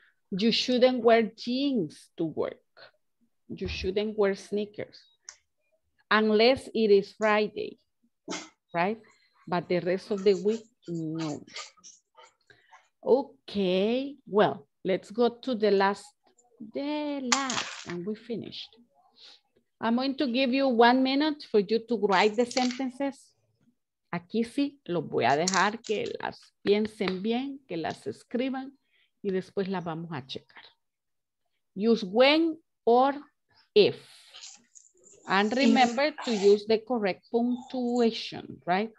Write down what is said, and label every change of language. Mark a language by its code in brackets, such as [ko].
[en] You shouldn't wear jeans to work. You shouldn't wear sneakers unless it is Friday, right? But the rest of the week, no. Okay, well, let's go to the last, and we finished. I'm going to give you 1 minute for you to write the sentences. [es] Aquí sí, lo voy a dejar que las piensen bien, que las escriban, y después las vamos a checar. [en] Use when or if. And remember to use the correct punctuation, right?